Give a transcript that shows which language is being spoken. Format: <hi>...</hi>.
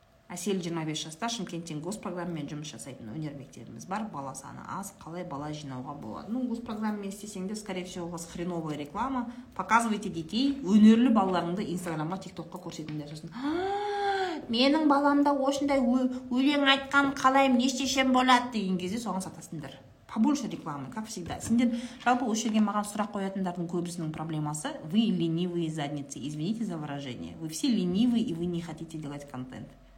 <kk>Әсел 25 жаста, Шымкенттен госпрограммамен жұмыс жасайтын өнер мектебіміз бар. Бала саны аз, қалай бала жинауға болады?</kk> <ru>Ну,</ru> <kk>госпрограммамен істесең де,</kk> <ru>скорее всего, у вас хреновая реклама. Показывайте детей,</ru> <kk>өнерлі балаларыңды Инстаграмға, ТикТокқа көрсетіңдер. Менің баламда осындай өлең айтқан, қалайым, не істесем болады деген кезде соған сатасыңдар.</kk> <ru>Побольше рекламы, как всегда.</ru> <kk>Сендер жалпы осы жерге маған сұрақ қоятындардың көбісінің проблемасы:</kk> <ru>вы ленивые задницы, извините за выражение. Вы все ленивые и вы не хотите делать контент.</ru>